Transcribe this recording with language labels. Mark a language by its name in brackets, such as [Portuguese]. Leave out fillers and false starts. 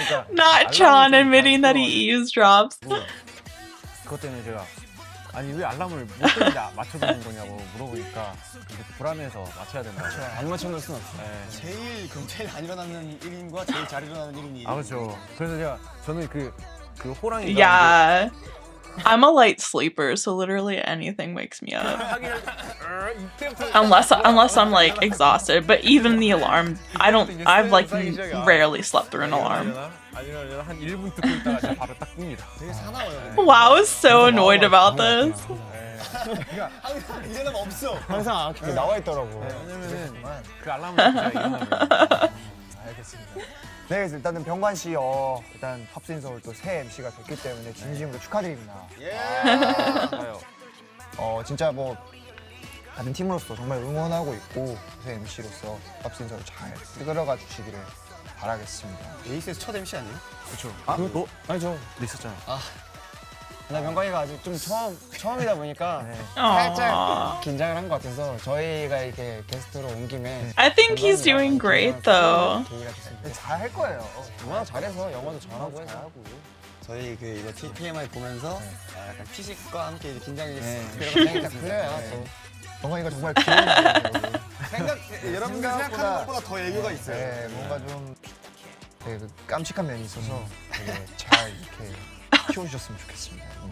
[English] Not John admitting that he eavesdrops. [Korean] 그것 때문에 제가 아니 왜 알람을 못 들었냐 맞춰주는 거냐고 물어보니까 불안해서 맞춰야 된다. 안 맞춰놓을 순 없어. 네. 제일 그럼 제일 안 일어나는 1인과 제일 잘 일어나는 1인이. 아 그렇죠. 그래서 제가 저는 그 호랑이. Yeah, 그... [English] I'm a light sleeper, so literally anything wakes me up. unless I'm like exhausted, but even the alarm, I don't. I've like rarely slept through an alarm. [Korean] 한 1분 듣고 있다가 제가 바로 딱 끕니다. 되게 사나워요. [English] Wow, I was so annoyed about this. [Korean] 이제는 없어. 항상 그렇게 나와 있더라고. 왜냐면은 그 알람을 제가 알겠습니다. 네, 일단은 병관 씨, 일단 팝스인 서울 또 새 MC가 됐기 때문에 진심으로 축하드립니다. 예. 진짜 뭐 다른 팀으로서 정말 응원하고 있고 새 MC로서 팝스인 서울 잘 이끌어가 주시기를. 바라겠습니다. 에이스에서 첫 MC 아니에요? 그렇죠. 아, 너? 아니 저 있었잖아요. 나 병관이가 아직 좀 처음이다 보니까 네. 살짝 긴장을 한 것 같아서 저희가 이렇게 게스트로 온 김에 [English] I think he's doing great though. [Korean] 잘할 거예요. 워낙 잘해서 영어도 잘하고 해서 저희 그 이거 TMI 보면서 네. 약간 피식과 함께 긴장이 네. 그런 생각이 들어요. 네. 병관이가 정말 귀여운 거예요. 여러분 생각하는 것보다 더 애교가 있어요. 네, 뭔가 좀 되게 깜찍한 면이 있어서 되게 잘 이렇게 키워주셨으면 좋겠습니다.